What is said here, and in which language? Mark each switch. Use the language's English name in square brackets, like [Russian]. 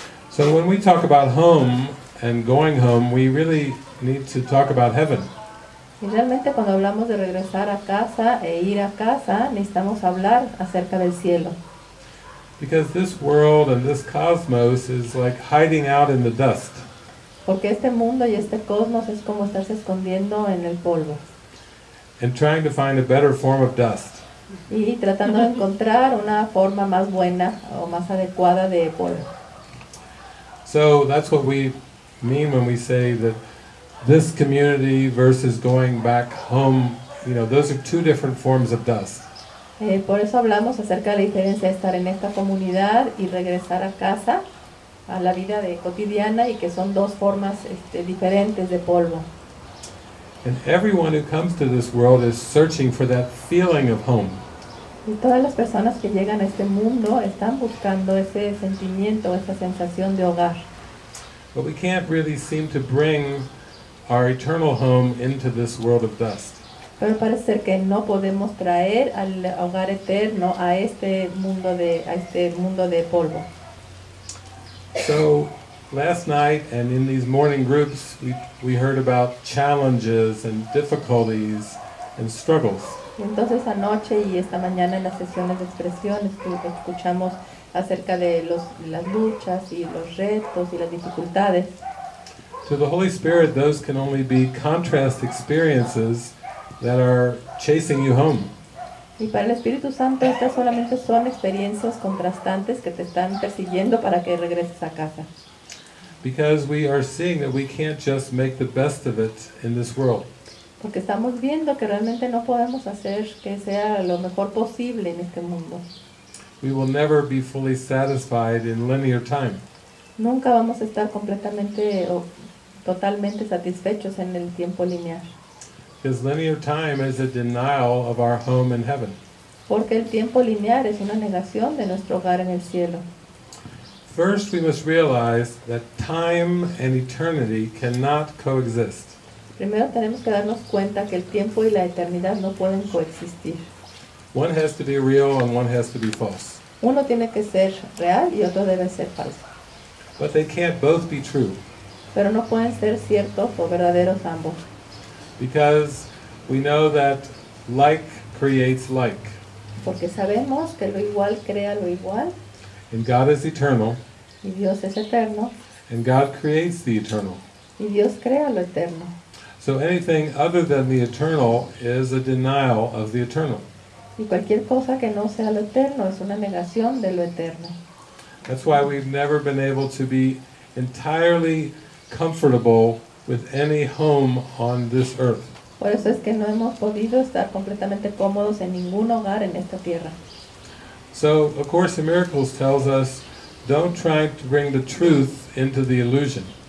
[English] So when we talk about home and going home, we really need to talk about heaven. [Spanish] Y realmente cuando hablamos de regresar a casa e ir a casa, necesitamos hablar acerca del cielo. [English] Because this world and this cosmos is like hiding out in the dust. [Spanish] Porque este mundo y este cosmos es como estarse escondiendo en el polvo. [English] And trying to find a better form of dust. [Spanish] Y tratando de encontrar una forma más buena o más adecuada de polvo. [English] So that's what we mean when we say that this community versus going back home, you know, those are two different forms of dust. [Spanish] Por eso hablamos acerca de la diferencia de estar en esta comunidad y regresar a casa, a la vida de cotidiana, y que son dos formas diferentes de polvo. [English] And everyone who comes to this world is searching for that feeling of home. [Spanish] Y todas las personas que llegan a este mundo están buscando ese sentimiento, esa sensación de hogar. [English] But we can't really seem to bring our eternal home into this world of dust. [Spanish] Pero parece ser que no podemos traer al hogar eterno a este mundo de polvo. [English] So, last night and in these morning groups, we heard about challenges and difficulties and struggles. [Spanish] Entonces anoche y esta mañana en las sesiones de expresión escuchamos acerca de las luchas y los retos y las dificultades. [English] To the Holy Spirit, those can only be contrast experiences that are chasing you home. [Spanish] Y para el Espíritu Santo estas solamente son experiencias contrastantes que te están persiguiendo para que regreses a casa. [English] Because we are seeing that we can't just make the best of it in this world. [Spanish] Porque estamos viendo que realmente no podemos hacer que sea lo mejor posible en este mundo. [English] We will never be fully satisfied in linear time. [Spanish] Nunca vamos a estar completamente o totalmente satisfechos en el tiempo lineal. [English] Because linear time is a denial of our home in heaven. [Spanish] Porque el tiempo lineal es una negación de nuestro hogar en el cielo. [English] First, we must realize that time and eternity cannot coexist. [Spanish] Primero tenemos que darnos cuenta que el tiempo y la eternidad no pueden coexistir. [English] One has to be real and one has to be false. [Spanish] Uno tiene que ser real y otro debe ser falso. [English] But they can't both be true. [Spanish] Pero no pueden ser ciertos o verdaderos ambos. [English] Because we know that like creates like. [Spanish] Porque sabemos que lo igual crea lo igual. [English] And God is eternal. [Spanish] Y Dios es eterno. [English] And God creates the eternal. [Spanish] Y Dios crea lo eterno. [English] So anything other than the eternal is a denial of the eternal. [Spanish] Y cualquier cosa que no sea lo eterno es una negación de lo eterno. [English] That's why we've never been able to be entirely comfortable with any home on this earth. [Spanish] Por eso es que no hemos podido estar completamente cómodos en ningún hogar en esta tierra. [English] So, A Course in Miracles tells us, don't try to bring the truth into the illusion.